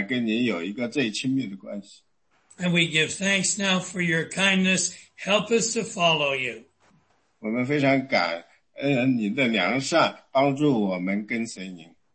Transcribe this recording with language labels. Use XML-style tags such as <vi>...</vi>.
<zh>主啊，我们的祷告是不管我们周围的人去做什么，我们的祷告是我们需要，我们要顺服您，跟您有一个最亲密的关系。</zh> <en>And we give thanks now for your kindness. Help us to follow you.</en> <zh>我们非常感恩您的良善，帮助我们跟随您。</zh>